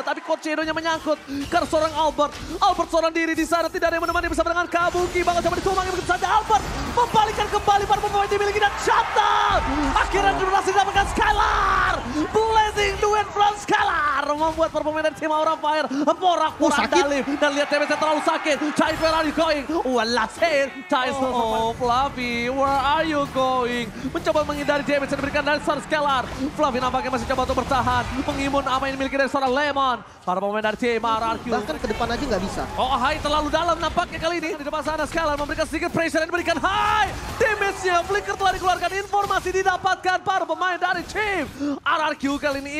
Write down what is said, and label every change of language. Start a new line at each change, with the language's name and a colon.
Indonesian: Tapi Coach Shadow-nya menyangkut. Karena seorang Albert. Albert seorang diri di sana. Tidak ada yang menemani bersama dengan Kabuki. Bakal coba ditumbangi begitu saja. Albert membalikkan kembali para pemain dimiliki. Dan Shutter. Akhirnya berhasil didapatkan Skylar.
English: Blazing Duet from Skylar.
Indonesian: Membuat para pemain dari tim Aura Fire. Porak-porak dalim. Dan lihat TMS-nya terlalu sakit.
English: Chai, where are you going? Well, that's it. Chai, Fluffy, where are you going?
Indonesian: Mencoba menghindari damage yang diberikan dari seorang Skylar. Fluffy nampaknya masih coba untuk bertahan. Mengimun apa yang dimiliki dari seorang Lemon. Para pemain dari tim RRQ. Bahkan ke depan aja nggak bisa. Oh, Hai terlalu dalam nampaknya kali ini. Di depan sana Skylar memberikan sedikit pressure yang diberikan Hai. Damage-nya Flicker telah dikeluarkan. Informasi didapatkan para pemain dari tim RRQ kali ini.